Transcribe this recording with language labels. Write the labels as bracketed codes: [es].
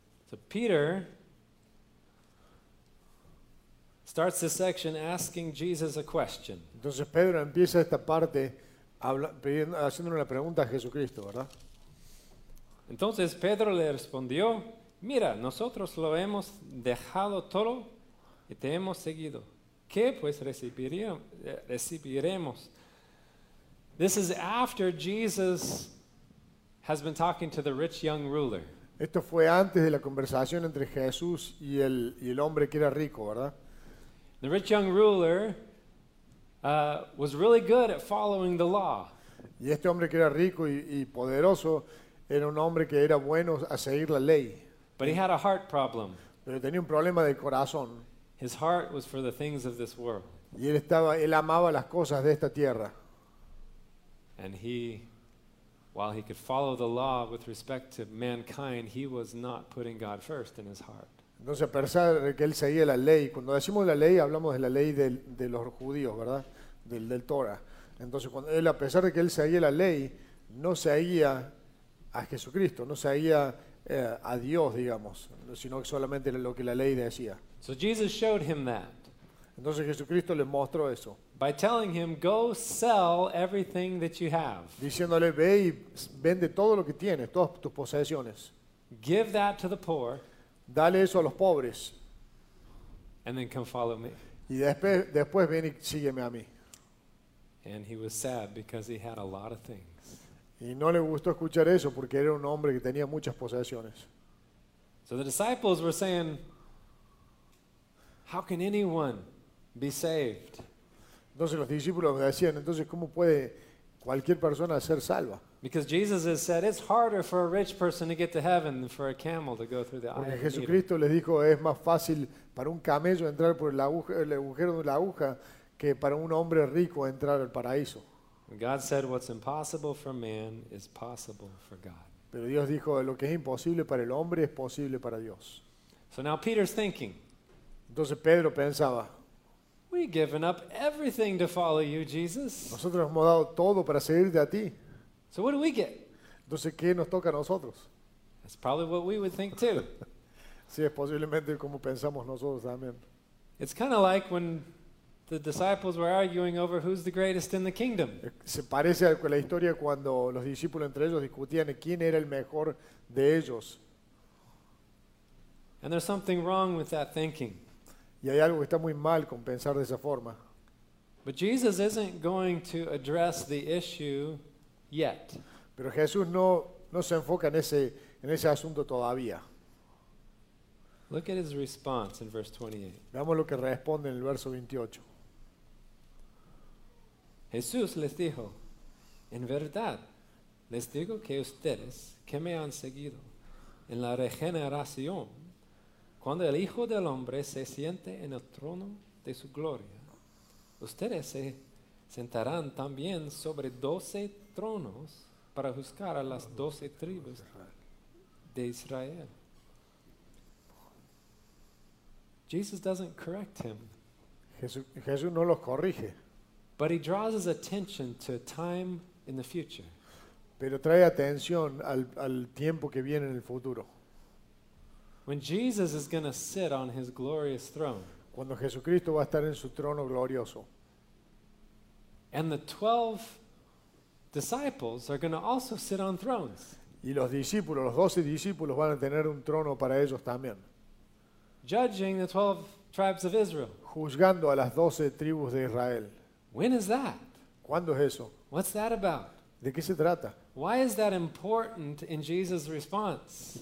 [en] So Peter starts this section asking Jesus a question. [es] Entonces Pedro empieza esta parte haciéndole una pregunta a Jesucristo, ¿verdad? Entonces Pedro le respondió: mira, nosotros lo hemos dejado todo y te hemos seguido. ¿Qué pues recibiremos? [en] This is after Jesus has been talking to the rich young ruler. [es] Esto fue antes de la conversación entre Jesús y el hombre que era rico, ¿verdad? [en] The rich young ruler was really good at following the law. [es] Y este hombre que era rico y poderoso era un hombre que era bueno a seguir la ley. [en] But he had a heart problem. [es] Pero tenía un problema de corazón. [en] His heart was for the things of this world. [es] Y él amaba las cosas de esta tierra. [en] And he, while he could follow the law with respect to mankind, he was not putting God first in his heart. [es] Entonces, a pesar de que él seguía la ley, cuando decimos la ley, hablamos de la ley de los judíos, ¿verdad? Del Torah. Entonces, cuando él, a pesar de que él seguía la ley, no seguía a Jesucristo, no seguía a Dios, digamos, sino solamente lo que la ley decía. [en] So Jesus showed him that. [es] Entonces Jesucristo le mostró eso. [en] By telling him, go sell everything that you have. [es] Diciéndole, ve y vende todo lo que tienes, todas tus posesiones. [en] Give that to the poor. [es] Dale eso a los pobres. [en] And then come follow me. [es] Y después ven y sígueme a mí. [en] And he was sad because he had a lot of things. [es] Y no le gustó escuchar eso porque era un hombre que tenía muchas posesiones. [en] So the disciples were saying, how can anyone be saved? [es] Entonces los discípulos decían, entonces ¿cómo puede cualquier persona ser salva? [en] Because Jesus has said it's harder for a rich person to get to heaven than for a camel to go through the eye of a needle. [es] Jesucristo les dijo, es más fácil para un camello entrar por el agujero de la aguja que para un hombre rico entrar al paraíso. [en] God said what's impossible for man is possible for God. [es] Pero Dios dijo, lo que es imposible para el hombre es posible para Dios. [en] So now Peter's thinking. [es] Entonces Pedro pensaba, [en] we've given up everything to follow you, Jesus. [es] Nosotros hemos dado todo para seguirte a ti. [en] So what do we get? [es] Entonces, ¿qué nos toca a nosotros? [en] That's probably what we would think too. [es] Sí, es posiblemente como pensamos nosotros también. [en] It's kind of like when the disciples were arguing over who's the greatest in the kingdom. [es] Se parece a la historia cuando los discípulos entre ellos discutían quién era el mejor de ellos. [en] And there's something wrong with that thinking. [es] Y hay algo que está muy mal con pensar de esa forma. [en] But Jesus isn't going to address the issue yet. [es] Pero Jesús no se enfoca en ese asunto todavía. [en] Look at his response in verse 28. [es] Veamos lo que responde en el verso 28. Jesús les dijo, en verdad les digo que ustedes que me han seguido en la regeneración, cuando el Hijo del Hombre se siente en el trono de su gloria, ustedes se sentarán también sobre 12 tronos para juzgar a las 12 tribus de Israel. [en] Jesus doesn't correct him. [es] Jesús no los corrige. [en] But he draws his attention to time in the future. [es] Pero trae atención al tiempo que viene en el futuro. [en] When Jesus is going to sit on his glorious throne. [es] Cuando Jesucristo va a estar en su trono glorioso. [en] And the 12 disciples are going to also sit on thrones. [es] Y los discípulos, los 12 discípulos van a tener un trono para ellos también. [en] Judging the 12 tribes of Israel. [es] Juzgando a las 12 tribus de Israel. [en] When is that? [es] ¿Cuándo es eso? [en] What's that about? [es] ¿De qué se trata? [en] Why is that important in Jesus' response?